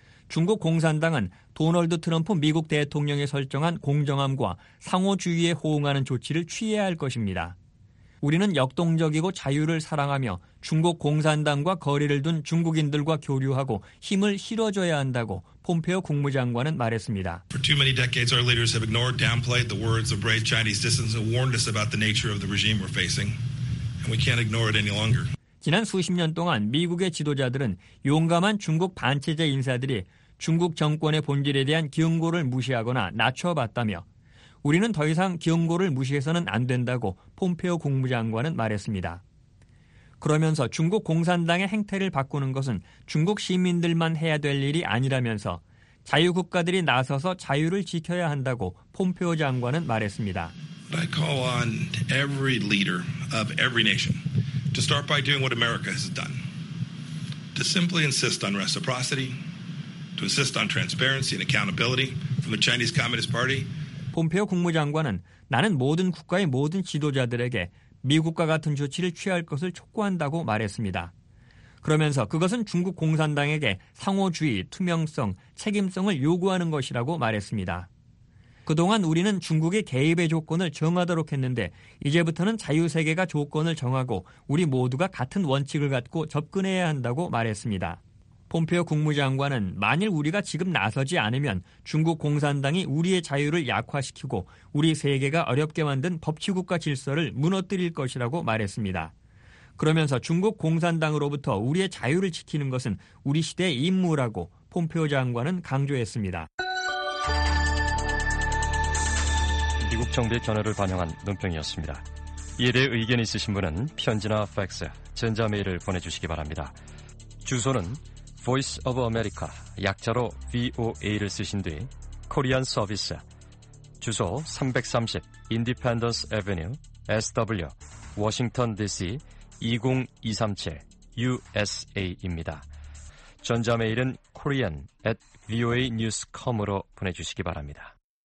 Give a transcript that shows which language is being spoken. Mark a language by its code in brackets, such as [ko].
[ko] 중국 공산당은 도널드 트럼프 미국 대통령이 설정한 공정함과 상호주의에 호응하는 조치를 취해야 할 것입니다. 우리는 역동적이고 자유를 사랑하며 중국 공산당과 거리를 둔 중국인들과 교류하고 힘을 실어줘야 한다고 폼페오 국무장관은 말했습니다. [en] For too many decades, our leaders have ignored, downplayed the words of brave Chinese dissidents who warned us about the nature of the regime we're facing. We can't ignore it any longer. [ko] 지난 수십 년 동안 미국의 지도자들은 용감한 중국 반체제 인사들이 중국 정권의 본질에 대한 경고를 무시하거나 낮춰봤다며 우리는 더 이상 경고를 무시해서는 안 된다고 폼페오 국무장관은 말했습니다. 그러면서 중국 공산당의 행태를 바꾸는 것은 중국 시민들만 해야 될 일이 아니라면서 자유국가들이 나서서 자유를 지켜야 한다고 폼페오 장관은 말했습니다. [en] I call on every leader of every nation to start by doing what America has done. To simply insist on reciprocity, to insist on transparency and accountability from the Chinese Communist Party. [ko] 폼페오 국무장관은 나는 모든 국가의 모든 지도자들에게 미국과 같은 조치를 취할 것을 촉구한다고 말했습니다. 그러면서 그것은 중국 공산당에게 상호주의, 투명성, 책임성을 요구하는 것이라고 말했습니다. 그동안 우리는 중국의 개입의 조건을 정하도록 했는데 이제부터는 자유세계가 조건을 정하고 우리 모두가 같은 원칙을 갖고 접근해야 한다고 말했습니다. 폼페오 국무장관은 만일 우리가 지금 나서지 않으면 중국 공산당이 우리의 자유를 약화시키고 우리 세계가 어렵게 만든 법치국가 질서를 무너뜨릴 것이라고 말했습니다. 그러면서 중국 공산당으로부터 우리의 자유를 지키는 것은 우리 시대의 임무라고 폼페오 장관은 강조했습니다. 미국 정부의 견해를 반영한 논평이었습니다. 이에 대해 의견이 있으신 분은 편지나 팩스, 전자메일을 보내주시기 바랍니다. 주소는 Voice of America, 약자로 VOA를 쓰신 뒤 Korean Service, 주소 330 Independence Avenue, SW, Washington DC, 20237, USA입니다. 전자메일은 korean@voanews.com으로 보내주시기 바랍니다.